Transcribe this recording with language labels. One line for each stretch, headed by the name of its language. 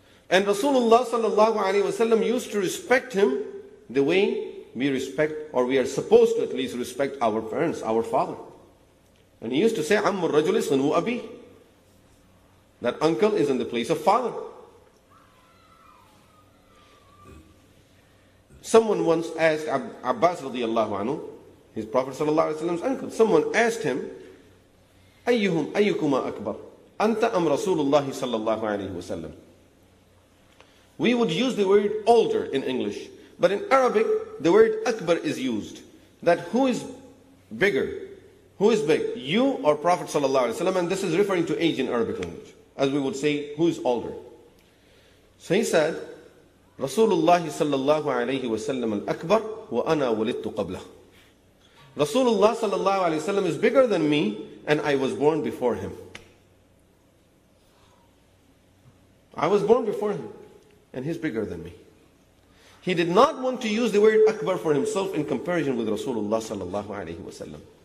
English: And Rasulullah sallallahu alayhi wa sallam used to respect him the way we respect, or we are supposed to at least respect our parents, our father. And he used to say,
Arabic: عَمُّ الرَّجُلِ صَنُوا أَبِي.
English: That uncle is in the place of father. Someone once asked Abbas radiallahu anhu, he's Prophet sallallahu alayhi wa sallam's uncle. Someone asked him,
Arabic: أيهم أيكما أكبر أنت أم رسول الله صلى الله عليه وسلم.
English: We would use the word older in English, but in Arabic the word akbar is used. That who is bigger? Who is big? You or Prophet
Arabic: صلى الله عليه وسلم?
English: And this is referring to age in Arabic language, as we would say who is older. So he said,
Arabic: رسول الله صلى الله عليه وسلم الأكبر وأنا ولدت قبله.
English: Rasulullah sallallahu alayhi wa sallam is bigger than me and I was born before him. I was born before him and he's bigger than me. He did not want to use the word akbar for himself in comparison with Rasulullah sallallahu alayhi wa sallam.